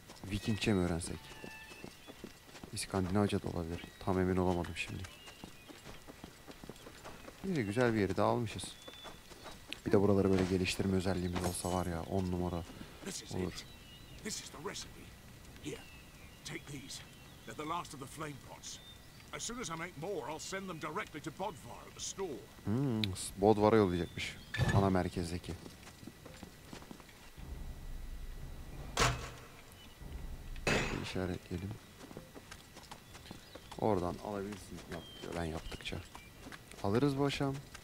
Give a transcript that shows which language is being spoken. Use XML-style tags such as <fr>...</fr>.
<tr>Vikingçe mi öğrensek? İskandinavca da olabilir. Tam emin olamadım şimdi. Yine güzel bir yeri daha almışız. Bir de buraları böyle geliştirme özelliğimiz olsa var ya, 10 numara olur.</tr> <en>This is the recipe. Here, take these. They're the last of the flame pots. As soon as I make more, I'll send them directly to Bodvar at the store.</en> <tr>Bodvar'a yollayacakmış. Ana merkezdeki. İşaretleyelim. Oradan alabilirsin. Ben yaptıkça. Alırız bu aşam.</tr>